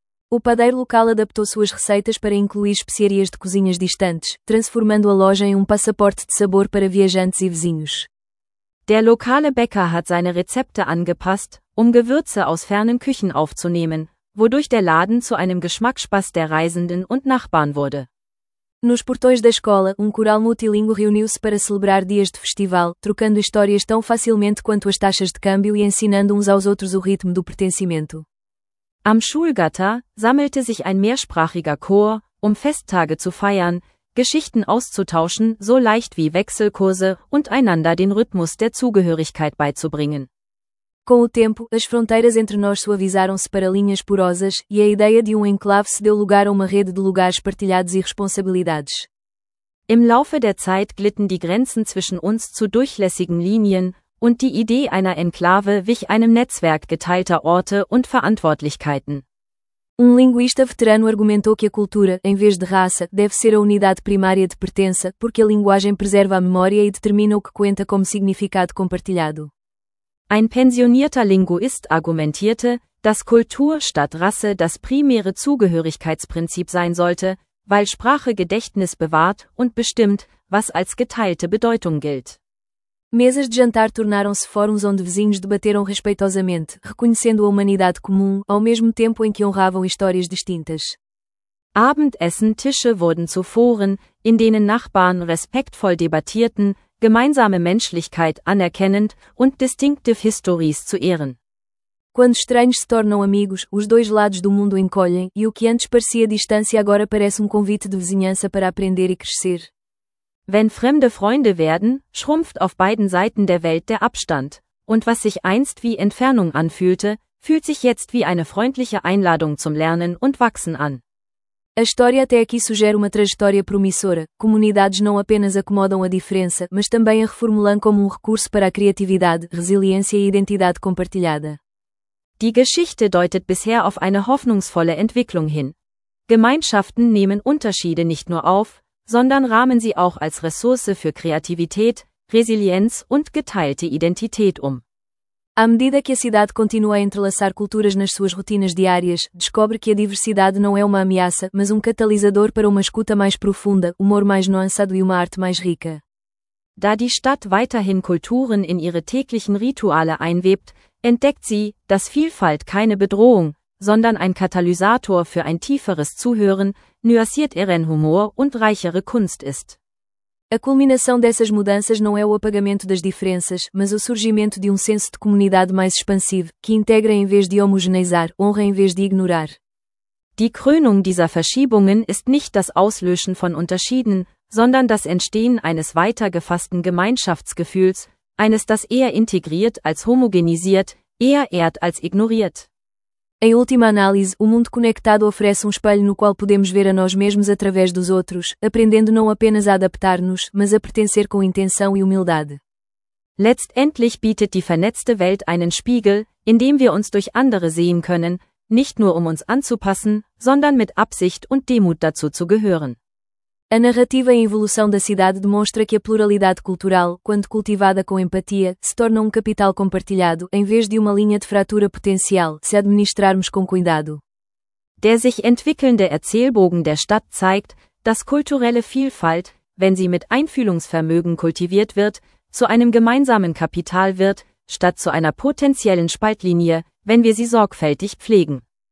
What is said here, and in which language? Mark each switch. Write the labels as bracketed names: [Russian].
[Portuguese] O padeiro local adaptou suas receitas para incluir especiarias de cozinhas distantes, transformando a loja em passaporte de sabor para viajantes e vizinhos. [German] Der lokale Bäcker hat seine Rezepte angepasst, Gewürze aus fernen Küchen aufzunehmen, wodurch der Laden zu einem Geschmacksspaß der Reisenden und Nachbarn wurde. [Portuguese] Nos portões da escola, coral multilingüe reuniu-se para celebrar dias de festival, trocando histórias tão facilmente quanto as taxas de câmbio e ensinando uns aos outros o ritmo do pertencimento. [German] Am Schulgatter sammelte sich ein mehrsprachiger Chor, Festtage zu feiern, Geschichten auszutauschen, so leicht wie Wechselkurse und einander den Rhythmus der Zugehörigkeit beizubringen. [Portuguese] Com o tempo, as fronteiras entre nós suavizaram-se para linhas porosas, e a ideia de enclave se deu lugar a uma rede de lugares partilhados e responsabilidades. [German] Im Laufe der Zeit glitten die Grenzen zwischen uns zu durchlässigen Linien, und die Idee einer Enklave wich einem Netzwerk geteilter Orte und Verantwortlichkeiten. [Portuguese] Linguista veterano argumentou que a cultura, em vez de raça, deve ser a unidade primária de pertença, porque a linguagem preserva a memória e determina o que conta como significado compartilhado. [German] Ein pensionierter Linguist argumentierte, dass Kultur statt Rasse das primäre Zugehörigkeitsprinzip sein sollte, weil Sprache Gedächtnis bewahrt und bestimmt, was als geteilte Bedeutung gilt. [Portuguese] Mesas de jantar tornaram-se fóruns onde vizinhos debateram respeitosamente, reconhecendo a humanidade comum, ao mesmo tempo em que honravam histórias distintas. [German] Abendessen-Tische wurden zu Foren, in denen Nachbarn respektvoll debattierten, gemeinsame Menschlichkeit anerkennend und [English] distinctive histories [German] zu ehren. [Portuguese] Quando estranhos se tornam amigos, os dois lados do mundo encolhem, e o que antes parecia distância agora parece convite de vizinhança para aprender e crescer. [German] Wenn fremde Freunde werden, schrumpft auf beiden Seiten der Welt der Abstand, und was sich einst wie Entfernung anfühlte, fühlt sich jetzt wie eine freundliche Einladung zum Lernen und Wachsen an. [Portuguese] A história até aqui sugere uma trajetória promissora, comunidades não apenas acomodam a diferença, mas também a reformulam como recurso para a criatividade, resiliência e identidade compartilhada. [German] Die Geschichte deutet bisher auf eine hoffnungsvolle Entwicklung hin. Gemeinschaften nehmen Unterschiede nicht nur auf, sondern rahmen sie auch als Ressource für Kreativität, Resilienz und geteilte Identität [Portuguese] À medida que a cidade continua a entrelaçar culturas nas suas rotinas diárias, descobre que a diversidade não é uma ameaça, mas um catalisador para uma escuta mais profunda, humor mais nuançado e uma arte mais rica. [German] Da die Stadt weiterhin Kulturen in ihre täglichen Rituale einwebt, entdeckt sie, dass Vielfalt keine Bedrohung, sondern ein Katalysator für ein tieferes Zuhören, nuanciert ihren Humor und reichere Kunst ist. [Portuguese] A culminação dessas mudanças não é o apagamento das diferenças, mas o surgimento de senso de comunidade mais expansivo, que integra em vez de homogeneizar, honra em vez de ignorar. [German] Die Krönung dieser Verschiebungen ist nicht das Auslöschen von Unterschieden, sondern das Entstehen eines weiter gefassten Gemeinschaftsgefühls, eines, das eher integriert als homogenisiert, eher ehrt als ignoriert. [Portuguese] Em última análise, o mundo conectado oferece espelho no qual podemos ver a nós mesmos através dos outros, aprendendo não apenas a adaptar-nos, mas a pertencer com intenção e humildade. [German] Letztendlich bietet die vernetzte Welt einen Spiegel, in dem wir uns durch andere sehen können, nicht nur uns anzupassen, sondern mit Absicht und Demut dazu zu gehören. [Portuguese] A narrativa em evolução da cidade demonstra que a pluralidade cultural, quando cultivada com empatia, se torna capital compartilhado, em vez de linha de fratura potencial, se administrarmos com cuidado. [German] Der sich entwickelnde Erzählbogen der Stadt zeigt, dass kulturelle Vielfalt, wenn sie mit Einfühlungsvermögen kultiviert wird, zu einem gemeinsamen Kapital wird, statt zu einer potenziellen Spaltlinie, wenn wir sie sorgfältig pflegen.